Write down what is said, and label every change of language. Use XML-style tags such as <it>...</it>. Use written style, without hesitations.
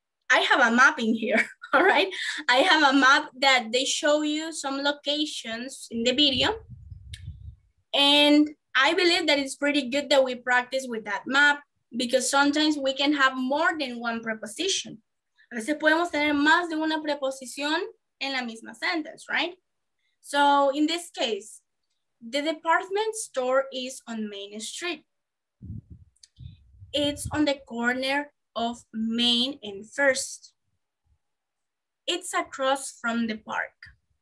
<en>I have a map in here, all right? I have a map that they show you some locations in the video. And I believe that it's pretty good that we practice with that map because sometimes we can have more than one preposition.</en> <es>A veces podemos tener más de una preposición en la misma sentence, right?</es> <en>So in this case, the department store is on Main Street. It's on the corner of Main and First. It's across from the park.</en>